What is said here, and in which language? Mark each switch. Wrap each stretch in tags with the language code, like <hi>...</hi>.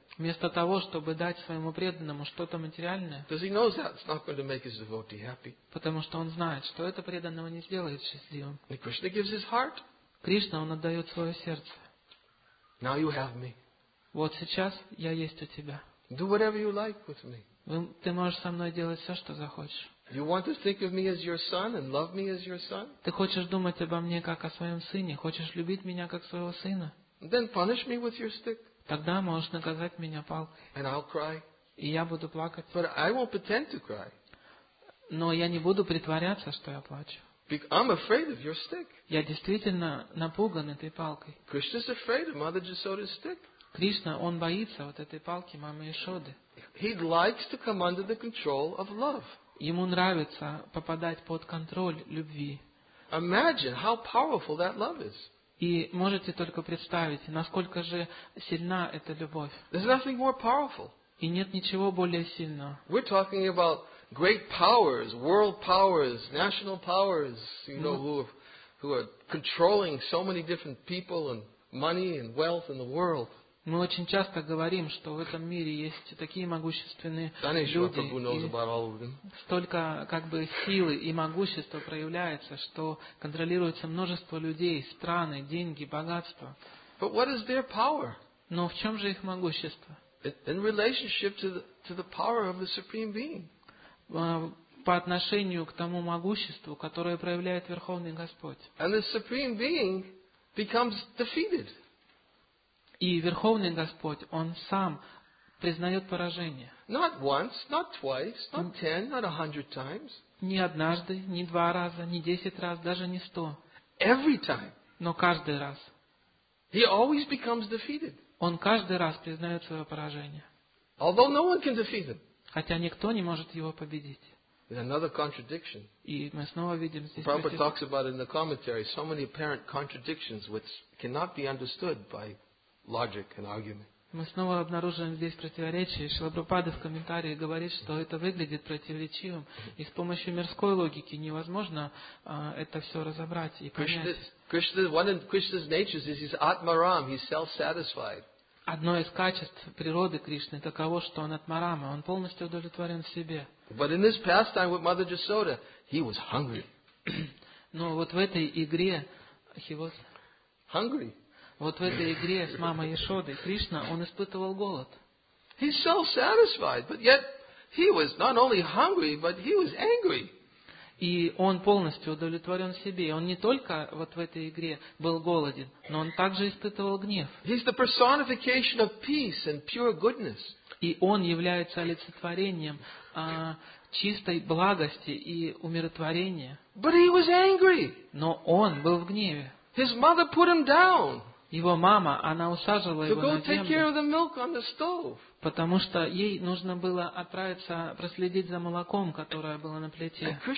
<ru>Вместо того, чтобы дать своему преданному что-то материальное,</ru> <en>because he knows that's not going to make his devotee happy.</en> <ru>Потому что он знает, что это преданного не сделает счастливым.</ru> <en>And Krishna gives his heart.</en> <ru>Кришна, он отдает свое сердце.</ru> <en>Now you have me.</en> <ru>Вот сейчас я есть у тебя.</ru> <en>Do whatever you like with me.</en> <ru>Ты можешь со мной делать все, что захочешь.</ru> <en>You want to think of me as your son and love me as your son?</en> <ru>Ты хочешь думать обо мне как о своем сыне, хочешь любить меня как своего сына?</ru> <en>Then punish me with your stick.</en> <ru>Тогда можешь наказать меня палкой.</ru> <en>And I'll cry.</en> <ru>И я буду плакать.</ru> <en>But I won't pretend to cry.</en> <ru>Но я не буду притворяться, что я плачу.</ru> <en>I'm afraid of your stick.</en> <ru>Я действительно напуган этой палкой.</ru> <en>Krishna's afraid of Mother Jasoda's stick.</en> <ru>Кришна, он боится вот этой палки мамы Ишоды.</ru> <en>He'd likes to come under the control of love.</en> <ru>Ему нравится попадать под контроль любви.</ru> <en>Imagine how powerful that love is.</en> <ru>И можете только представить, насколько же сильна эта любовь.</ru> <en>There's nothing more powerful.</en> <ru>И нет ничего более сильного.</ru> <en>We're talking about great powers, world powers, national powers, you know, who are controlling so many different people and money and wealth in the world.</en> <ru>Мы очень часто говорим, что в этом мире есть такие могущественные люди, и столько как бы силы и могущества проявляется, что контролируется множество людей, страны, деньги, богатство.</ru> <en>But what is their power?</en> <ru>Но в чем же их могущество?</ru> <en>In relationship to the power of the Supreme Being.</en> <ru>По отношению к тому могуществу, которое проявляет Верховный Господь.</ru> <en>And the Supreme Being becomes defeated.</en> <ru>И Верховный Господь, Он сам признает поражение.</ru> <en>Not once, not twice, not 10, not 100 times.</en> <ru>Не однажды, не два раза, не 10 раз, даже не 100.</ru> <en>Every time.</en> <ru>Но каждый раз.</ru> <en>He always becomes defeated.</en> <ru>Он каждый раз признает свое поражение.</ru> <en>Although no one can defeat him.</en> <ru>Хотя никто не может его победить.</ru> <en>There's another contradiction.</en> <ru>И мы снова видим здесь.</ru> <en>Prabhupada talks about in the commentary so many apparent contradictions which cannot be understood by logic and argument.</en> <ru>Мы снова обнаруживаем здесь противоречия. Шрила Прабхупада в комментарии говорит, что это выглядит противоречивым, и с помощью мирской логики невозможно это все разобрать и понять.</ru> <en>Krishna's nature is his atmaram, he's self-satisfied.</en> <ru>Одно из качеств природы Кришны таково, что он атмарама, он полностью удовлетворен в себе.</ru> <en>But in this pastime with Mother Jasoda, he was hungry.</en> <ru>Но вот в этой игре</ru> <en>he was hungry.</en> <ru>Вот в этой игре с мамой Яшодой Кришна, он испытывал голод.</ru> <en>He's self-satisfied, but yet he was not only hungry, but he was angry.</en> <ru>И он полностью удовлетворен себе. Он не только вот в этой игре был голоден, но он также испытывал гнев.</ru> <en>He's the personification of peace and pure goodness.</en> <ru>И он является олицетворением чистой благости и умиротворения.</ru> <en>But he was angry.</en> <ru>Но он был в гневе.</ru> <en>His mother put him down.</en> <ru>Его мама, она усаживала его на землю, потому что ей нужно было отправиться проследить за молоком, которое было на плите.</ru>